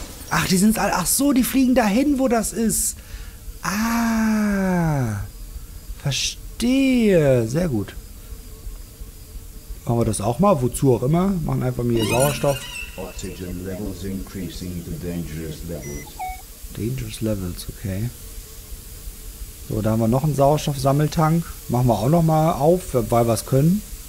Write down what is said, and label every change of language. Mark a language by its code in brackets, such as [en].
[de] Ach, die sind alle. Ach so, die fliegen dahin, wo das ist. Ah. Verstehe. Sehr gut. Machen wir das auch mal, wozu auch immer. Machen einfach mal hier Sauerstoff. [en] Oxygen levels increasing to dangerous levels. Dangerous levels, okay. [de] So, da haben wir noch einen Sauerstoffsammeltank. Machen wir auch noch mal auf, weil wir es können.